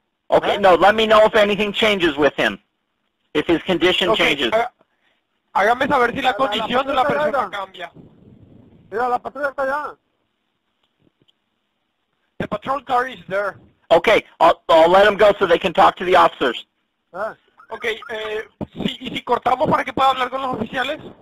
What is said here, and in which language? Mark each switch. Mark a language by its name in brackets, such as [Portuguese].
[English] Okay, no, let me know if anything changes with him. If his condition changes. [Spanish] Hágame saber si la condición de la persona cambia. Mira, la patrulla está allá. [English] The patrol car is there. Okay, I'll let him go so they can talk to the officers. [Spanish] Okay, si, ¿y si cortamos para que pueda hablar con los oficiales?